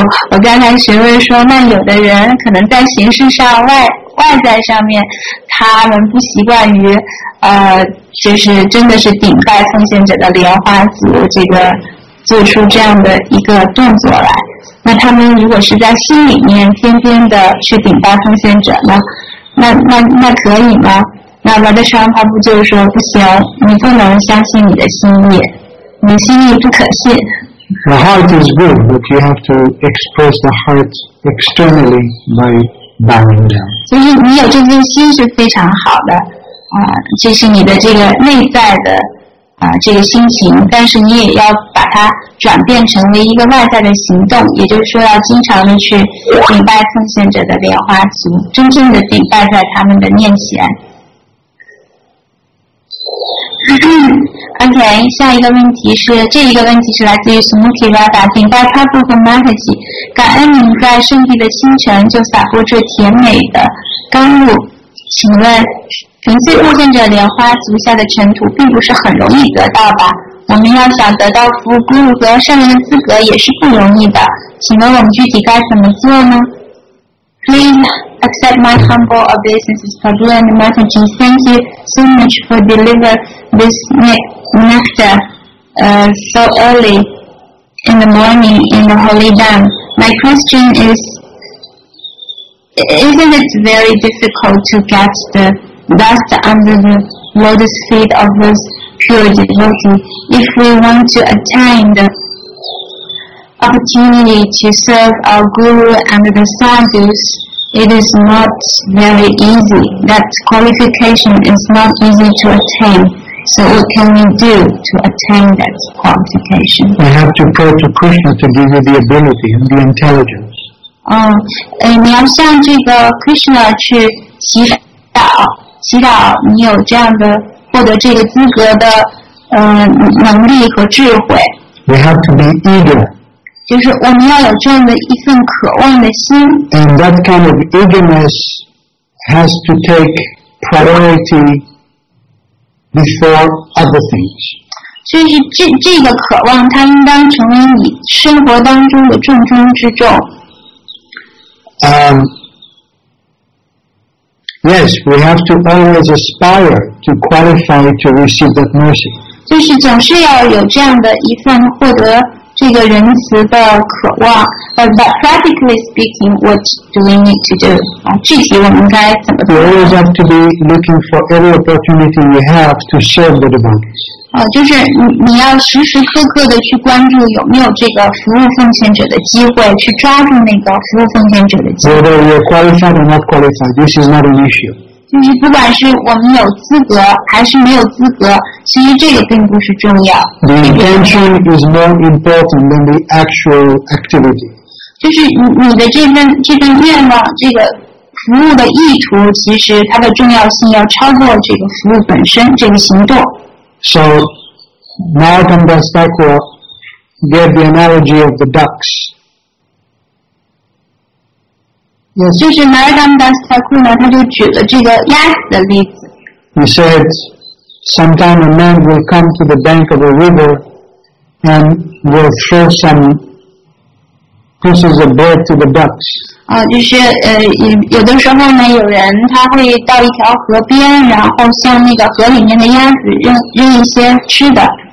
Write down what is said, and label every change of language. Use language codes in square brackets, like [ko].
[zh] 我刚才询问说，那有的人可能在形式上外在上面，他们不习惯于就是真的是顶拜奉献者的莲花足，这个做出这样的一个动作来。那他们如果是在心里面天天的去顶拜奉献者呢？那可以吗？那么的上他不就是说不行，你不能相信你的心意，你心意不可信。 [en] The heart is good, but you have to express the heart externally by bowing down. [zh] 就是你有这份心是非常好的，这是你的这个内在的这个心情，但是你也要把它转变成为一个外在的行动，也就是说要经常的去顶拜奉献者的莲花足，真正的顶拜在他们的面前。 OK， 下一个问题是，这一个问题是来自于苏穆提拉达，顶拜帕布和玛特西，感恩您在圣地的清晨就洒播这甜美的甘露，请问纯粹奉献者莲花足下的尘土并不是很容易得到吧？我们要想得到福禄和圣人的资格也是不容易的，请问我们具体该怎么做呢？ [en] Please accept my humble obeisances, Prabhu and Mataji. Thank you so much for delivering this nectar so early in the morning in the holy dam. My question is, isn't it very difficult to get the dust under the lotus feet of those pure devotees? If we want to attain the opportunity to serve our guru and the sadhus, it is not very easy. That qualification is not easy to attain. So what can we do to attain that qualification? We have to pray to Krishna to give you the ability and the intelligence. [zh] 你要向这个 Krishna 去祈祷你有这样的获得这个资格的能力和智慧。 [en] We have to be eager. [zh] 就是我们要有这样的一份渴望的心。 [en] And that kind of eagerness has to take priority before other things. [zh] 所以这个渴望它应当成为你生活当中的重中之重。 [en] Yes, we have to always aspire to qualify to receive that mercy. [zh] 就是总是要有这样的一份获得这个仁慈的渴望。 [en] But practically speaking, what do we need to do? [zh] 具体我们该怎么做？ [en] We always have to be looking for every opportunity we have to serve the devotees. [zh] 就是你要时时刻刻的去关注有没有这个服务奉献者的机会，去抓住那个服务奉献者的机会。 [en] Whether you're qualified or not qualified, this is not an issue. [zh] 就是不管是我们有资格还是没有资格，其实这个并不是重要。 [en] The intention is more important than the actual activity. [zh] 就是你的这份愿望，这个服务的意图，其实它的重要性要超过这个服务本身，这个行动。 [en] So, Narottam Das Thakur gave the analogy of the ducks. Yes. [zh] 就是 Madame Dastaku 呢，他就举了这个鸭子的例子。 [en] He said, sometime a man will come to the bank of a river and will throw some pieces of bread to the ducks. [zh] 啊，就是有的时候呢，有人他会到一条河边，然后向那个河里面的鸭子扔一些吃的。